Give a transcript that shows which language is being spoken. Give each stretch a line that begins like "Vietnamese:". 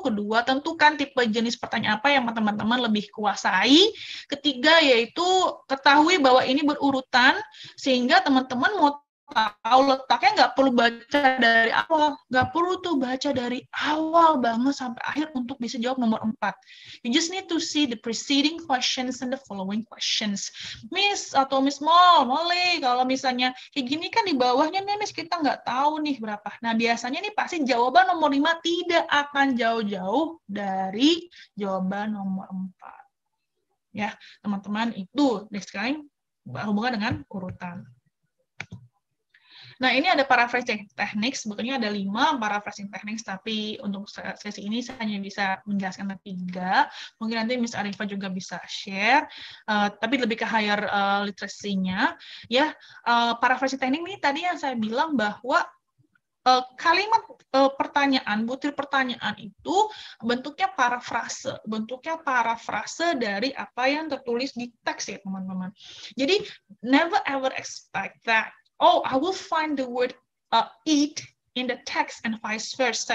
Indonesian: Kedua, tentukan tipe jenis pertanyaan apa yang teman-teman lebih kuasai. Ketiga, yaitu ketahui bahwa ini berurutan, sehingga teman-teman mau tahu letaknya nggak perlu baca dari awal. Nggak perlu tuh baca dari awal banget sampai akhir untuk bisa jawab nomor 4.
English: You just need to see the preceding questions and the following questions.
Indonesian: Miss atau Miss Molly, kalau misalnya kayak gini kan di bawahnya nih Miss, kita nggak tahu nih berapa. Nah, biasanya nih pasti jawaban nomor 5 tidak akan jauh-jauh dari jawaban nomor 4. Ya, teman-teman, itu next kali berhubungan dengan urutan. Nah, ini ada paraphrasing techniques, sebetulnya ada 5 paraphrasing techniques, tapi untuk sesi ini saya hanya bisa menjelaskan 3. Mungkin nanti Miss Arifa juga bisa share, tapi lebih ke higher literacy-nya. Ya, paraphrasing technique ini tadi yang saya bilang bahwa kalimat pertanyaan, butir pertanyaan itu bentuknya parafrase dari apa yang tertulis di teks ya, teman-teman. Jadi,
English: never ever expect that. Oh, I will find the word eat in the text and vice versa.